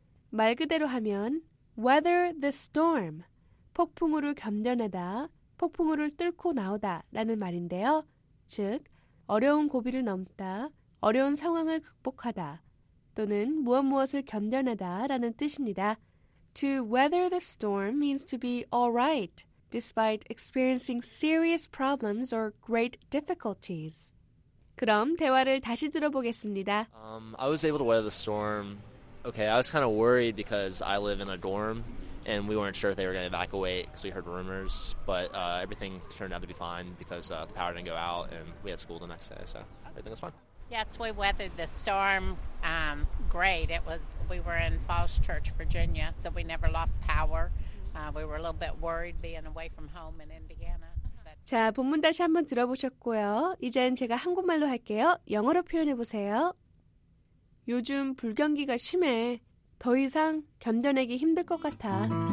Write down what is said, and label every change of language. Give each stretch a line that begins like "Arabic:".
Korean: 말 그대로 하면
English: weather the storm,
Korean: 폭풍우를 견뎌내다, 폭풍우를 뚫고 나오다 라는 말인데요. 즉, 어려운 고비를 넘다, 어려운 상황을 극복하다, 또는 무엇무엇을 견뎌내다 라는 뜻입니다.
English: To weather the storm means to be alright, despite experiencing serious problems or great difficulties.
Korean: 그럼 대화를 다시 들어보겠습니다.
English: I was able to weather the storm. Okay, I was kind of worried because I live in a dorm, and we weren't sure if they were going to evacuate because we heard rumors, but everything turned out to be fine because the power didn't go out, and we had school the next day, so everything was fine. Yes, we weathered the storm great. We were in Falls Church, Virginia, so we never lost power. We were a little bit worried being away from home in Indiana.
Korean: 자, 본문 다시 한번 들어보셨고요. 이제는 제가 한국말로 할게요. 영어로 표현해보세요. 요즘 불경기가 심해. 더 이상 견뎌내기 힘들 것 같아.